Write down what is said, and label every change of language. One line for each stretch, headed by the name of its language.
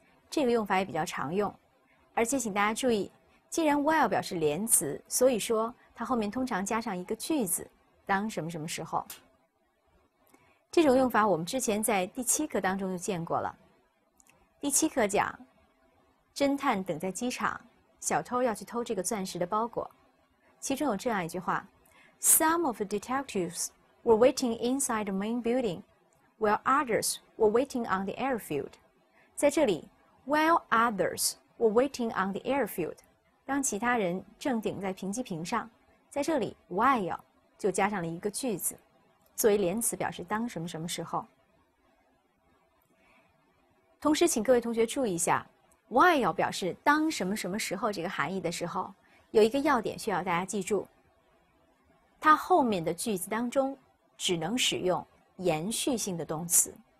Chinese: 这个用法也比较常用。而且请大家注意，既然 while 表示连词，所以说它后面通常加上一个句子，当什么什么时候。这种用法我们之前在第七课当中就见过了。第七课讲，侦探等在机场，小偷要去偷这个钻石的包裹。其中有这样一句话
English: ：Some of the detectives were waiting inside the main building, while others were waiting on the airfield。
Chinese: 在这里 ，
English: while others were waiting on the airfield，
Chinese: 当其他人正顶在停机坪上，在这里 while 就加上了一个句子。作为连词表示当什么什么时候。同时请各位同学注意一下 while 表示当什么什么时候这个含义的时候，有一个要点需要大家记住，它后面的句子当中只能使用延续性的动词。